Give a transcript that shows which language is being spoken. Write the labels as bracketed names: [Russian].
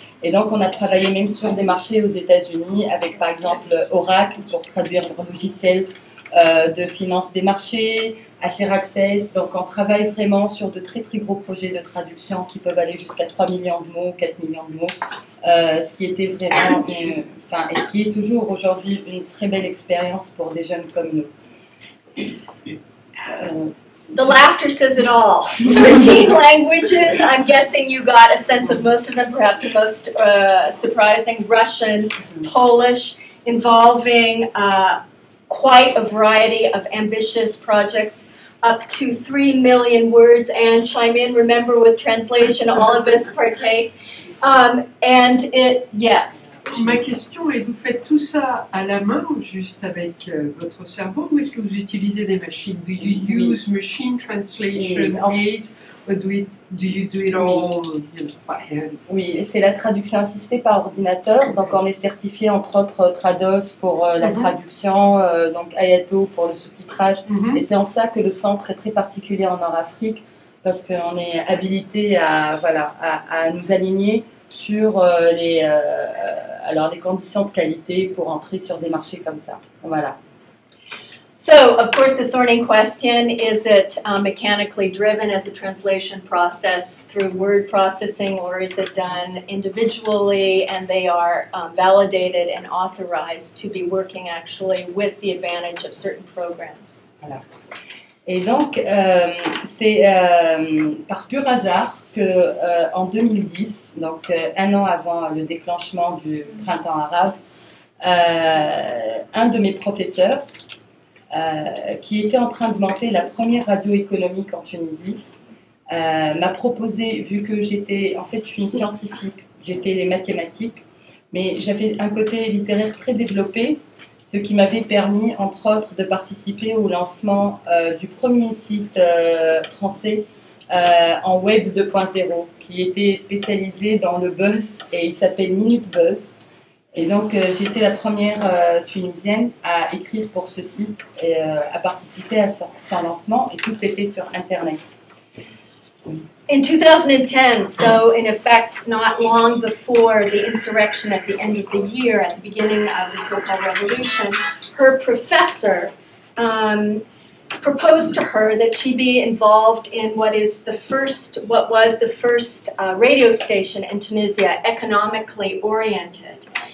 [French] Et donc, on a travaillé même sur des marchés aux États-Unis avec, par exemple, Oracle pour traduire le logiciel de finance des marchés, HR Access. Donc, on travaille vraiment sur de très, très gros projets de traduction qui peuvent aller jusqu'à 3 millions de mots, 4 millions de mots, ce qui était vraiment, et qui est toujours aujourd'hui une très belle expérience pour des jeunes comme nous. [English] The laughter says it all. 13 languages, I'm guessing you got a sense of most of them, perhaps the most surprising, Russian, Polish, involving quite a variety of ambitious projects, up to 3 million words, and chime in, remember with translation, all of us partake. Yes. [French] Ma question est, vous faites tout ça à la main ou juste avec votre cerveau ou est-ce que vous utilisez des machines? [English] Do you use machine translation aids or do you do it all by hand? [French] Oui, c'est la traduction assistée par ordinateur. Donc on est certifié entre autres Trados pour la traduction, donc Ayato pour le sous-titrage. Et c'est en ça que le centre est très particulier en Nord-Afrique parce qu'on est habilité à nous aligner sur les conditions de qualité pour entrer sur des marchés comme ça. Voilà. [English] So, of course, the thorny question, is it mechanically driven as a translation process through word processing, or is it done individually and they are validated and authorized to be working actually with the advantage of certain programs? [French] Voilà. Et donc, c'est par pur hasard que en 2010, donc un an avant le déclenchement du printemps arabe, un de mes professeurs, qui était en train de monter la première radio économique en Tunisie, m'a proposé, vu que j'étais, en fait, je suis une scientifique, j'ai fait les mathématiques, mais j'avais un côté littéraire très développé, ce qui m'avait permis, entre autres, de participer au lancement du premier site français en web 2.0, qui était spécialisé dans le buzz, et il s'appelle Minute Buzz. Et donc, j'étais la première Tunisienne à écrire pour ce site et à participer à son lancement, et tout s'est fait sur Internet. [English] In 2010, so in effect, not long before the insurrection at the end of the year, at the beginning of the so-called revolution, her professor proposed to her that she be involved in what was the first radio station in Tunisia, economically oriented.